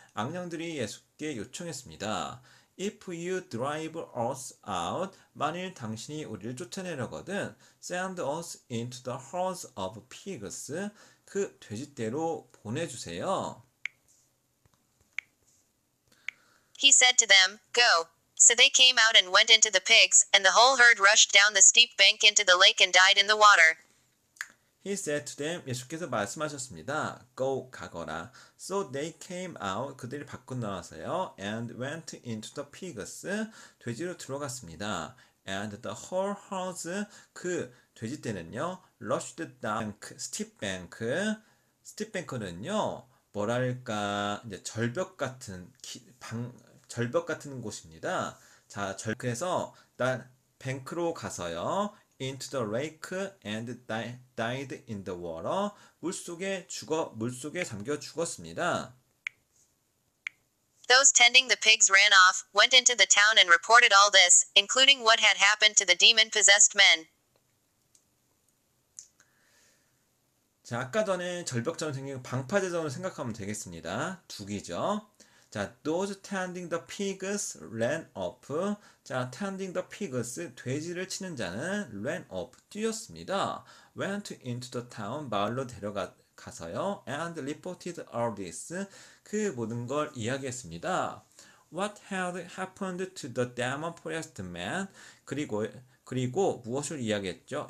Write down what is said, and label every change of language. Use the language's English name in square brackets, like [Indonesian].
[Korean] 악령들이 예수께 요청했습니다. [English] If you drive us out, [Korean] 만일 당신이 우리를 쫓아내려거든, [English] send us into the herd of pigs. [Korean] 그 돼지떼로 보내주세요. [English] He said to them, Go. So they came out and went into the pigs, and the whole herd rushed down the steep bank into the lake and died in the water. He said to them, [Korean] 예수께서 말씀하셨습니다. [English] Go, [Korean] 가거라. [English] So they came out, [Korean] 그들이 밖으로 나와서요. [English] And went into the pigs, [Korean] 돼지로 들어갔습니다. [English] And the whole herd, [Korean] 그 돼지떼는요, [English] rushed down the steep bank. [Korean] Steep bank는요, 뭐랄까, 이제 절벽 같은, 절벽 같은 곳입니다. 자, 그래서 일단 뱅크로 가서요. [English] Into the lake and died in the water. [Korean] 물 속에 잠겨 죽었습니다. [English] Those tending the pigs ran off, went into the town and reported all this, including what had happened to the demon-possessed men. [Korean] 자, 아까 전에 절벽처럼 생긴 방파제점을 생각하면 되겠습니다. [English] 두기죠. 자, those tending the pigs ran off. 자, tending the pigs, [Korean] 돼지를 치는 자는 [English] ran off, [Korean] 뛰었습니다. [English] Went into the town, [Korean] 마을로 데려가서요. [English] And reported all this, [Korean] 그 모든 걸 이야기했습니다. [English] What had happened to the demon possessed man? [Korean] 그리고 무엇을 이야기했죠?